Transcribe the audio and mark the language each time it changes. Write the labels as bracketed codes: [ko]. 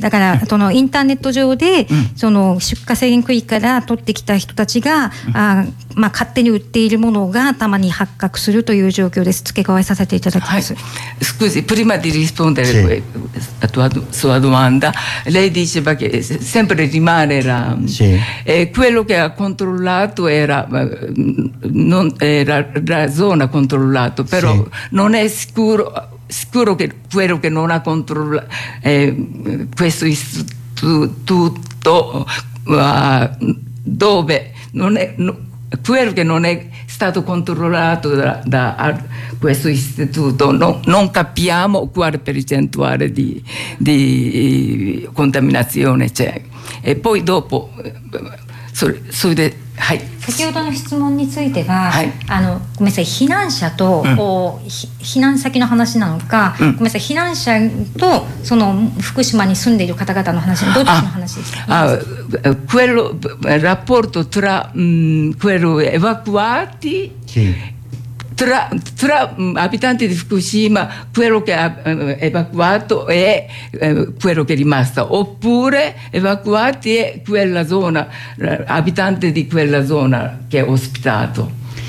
[ja] だからそのインターネット上で、その出荷制限区域から取ってきた人たちが、勝手に売っているものがたまに発覚するという状況です。付け加えさせていただきます。 [it] prima di rispondere a tua sua domanda, lei diceva che sempre rimane la quello che ha controllato era non era la zona controllato, però non è sicuro che quello che non ha controllato questo istituto dove non è quello che non è stato controllato da questo istituto, non capiamo quale percentuale di contaminazione c'è. E poi dopo, [ja] それで、はい、先ほどの質問については、ごめんなさい、避難者と、避難先の話なのか、ごめんなさい、避難者とその福島に住んでいる方々の話、どっちの話ですか？ [it] quello rapporto tra quello evacuati tra abitanti di Fukushima, quello che ha evacuato e quello che è rimasto, oppure evacuati e quella zona, abitanti di quella zona che è ospitato.